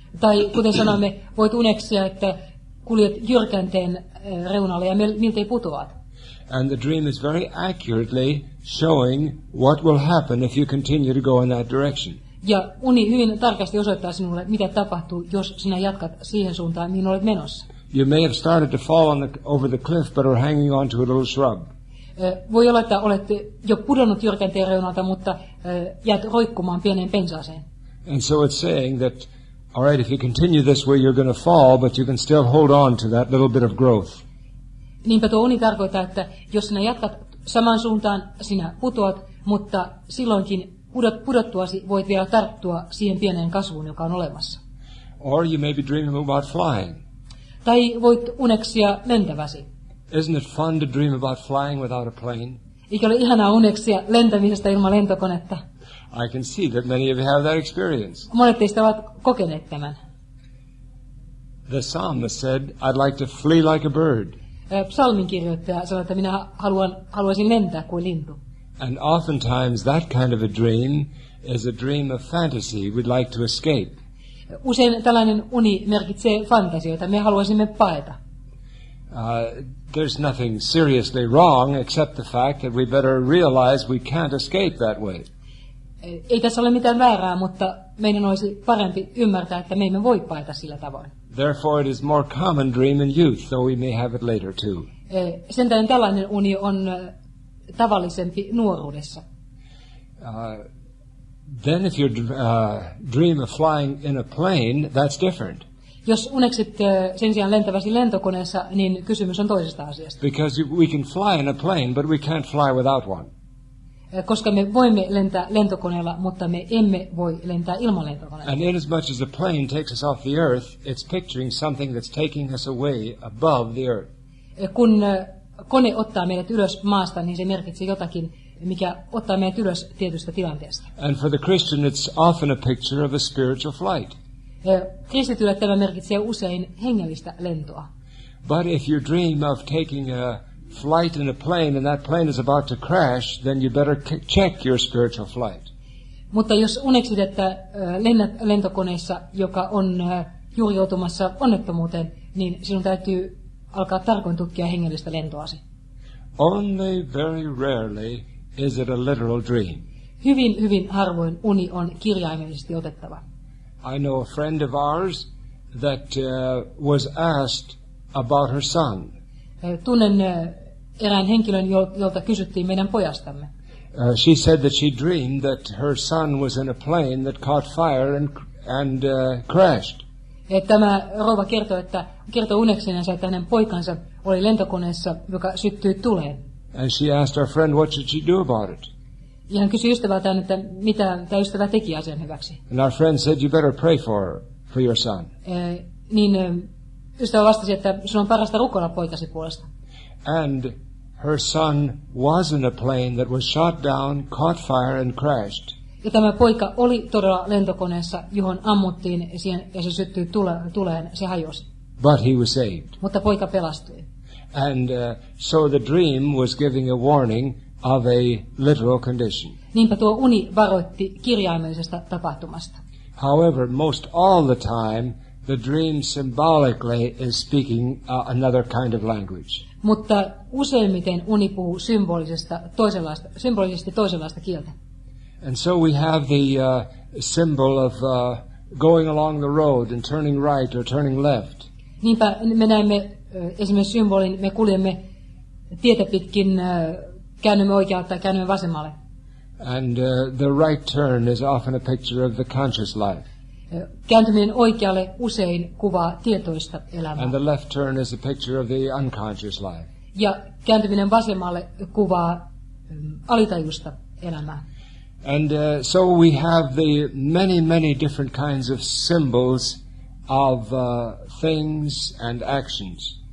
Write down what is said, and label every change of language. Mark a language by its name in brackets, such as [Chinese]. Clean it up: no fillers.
[Finnish] Tai kuten sanomme, voit uneksia, että kuljet jyrkänteen reunalle ja miltei putoat. [English] And the dream is very accurately showing what will happen if you continue to go in that direction. [Finnish] Ja uni hyvin tarkasti osoittaa sinulle, mitä tapahtuu, jos sinä jatkat siihen suuntaan, mihin olet menossa. [English] You may have started to fall over the cliff, but are hanging on to a little shrub. [Finnish] Voi olla, että olet jo pudonnut jyrkänteen reunalta, mutta jäät roikkumaan pieneen pensaaseen. [English] And so it's saying that, all right, if you continue this way, you're going to fall, but you can still hold on to that little bit of growth. [Finnish] Niinpä tuo uni tarkoittaa, että jos sinä jatkat samaan suuntaan, sinä putoat, mutta silloinkin pudottuasi voit vielä tarttua siihen pieneen kasvuun, joka on olemassa. [English] Or you may be dreaming about flying. [Finnish] Tai voit uneksia lentäväsi. [English] Isn't it fun to dream about flying without a plane? [Finnish] Eikö ole ihanaa uneksia lentämisestä ilman lentokonetta? [English] I can see that many of you have that experience. [Finnish] Monet teistä ovat kokeneet tämän. [English] The psalmist said, I'd like to flee like a bird. [Finnish] Psalmin kirjoittaja sanoi, että minä haluaisin lentää kuin lintu. [English] And oftentimes that kind of a dream is a dream of fantasy. We'd like to escape. [Finnish] Usein tällainen uni merkitsee fantasioita. Me haluaisimme paeta. [English] There's nothing seriously wrong except the fact that we better realize we can't escape that way. [Finnish] Ei tässä ole mitään väärää, mutta meidän olisi parempi ymmärtää, että me emme voi paeta sillä tavoin. [English] Therefore it is more common dream in youth, though we may have it later too. [Finnish] Sen tähden tällainen uni on tavallisempi nuoruudessa. [English] Then if you dream of flying in a plane, that's different. [Finnish] Jos uneksit sen sijaan lentäväsi lentokoneessa, niin kysymys on toisesta asiasta. [English] Because we can fly in a plane, but we can't fly without one. [Finnish] koska me voimme lentää lentokoneella, mutta me emme voi lentää ilman lentokoneella. [English] And inasmuch as a plane takes us off the earth, it's picturing something that's taking us away above the earth. [Finnish] Kun kone ottaa meidät ylös maasta, niin se merkitsee jotakin, mikä ottaa meidät ylös tietystä tilanteesta. [English] And for the Christian, it's often a picture of a spiritual flight. [Finnish] Kristitylle tämä merkitsee usein hengellistä lentoa. [English] But if you dream of taking a flight in a plane and that plane is about to crash, then you better check your spiritual flight. [Finnish] Mutta jos uneksit, että lennät lentokoneessa, joka on juuri joutumassa onnettomuuteen, niin sinun täytyy alkaa tarkoin tutkia hengellistä lentoasi. [English] Only very rarely is it a literal dream. [Finnish] Hyvin, hyvin harvoin uni on kirjaimellisesti otettava. [English] I know a friend of ours that was asked about her son. [Finnish] Tunnen erään henkilön, jolta kysyttiin meidän pojastamme. [English] She said that she dreamed that her son was in a plane that caught fire and crashed. [Finnish] Tämä rouva kertoi uneksensa, että hänen poikansa oli lentokoneessa, joka syttyi tuleen. [English] And she asked her friend, what should she do about it? [Finnish] Ja hän kysyi ystävältään, että mitä tämä ystävä teki asian hyväksi. [English] And our friend said, you better pray for your son. [Finnish] Niin ystävä vastasi, että sinun on parasta rukoilla poikasi puolesta. [English] And her son was in a plane that was shot down, caught fire and crashed. [Finnish] Ja tämä poika oli todella lentokoneessa, johon ammuttiin ja se syttyi tuleen, se hajosi. [English] But he was saved. [Finnish] Mutta poika pelastui. [English] And so the dream was giving a warning of a literal condition. [Finnish] Niinpä tuo uni varoitti kirjaimellisesta tapahtumasta. [English] However, most all the time, the dream symbolically is speaking another kind of language. [Finnish] Mutta useimmiten uni puhuu symbolisesti toisenlaista kieltä. [English] And so we have the symbol of going along the road and turning right or turning left. [Finnish] Niinpä me näemme esimerkiksi symbolin, me kuljemme tietä pitkin, käännymme oikealle tai käännymme vasemmalle. [English] And the right turn is often a picture of the conscious life. [Finnish] Kääntyminen oikealle usein kuvaa tietoista elämää. [English] And the left turn is a picture of the unconscious life. [Finnish] Ja kääntyminen vasemmalle kuvaa alitajuista elämää. [English] And so we have the many, many different kinds of symbols of things and actions.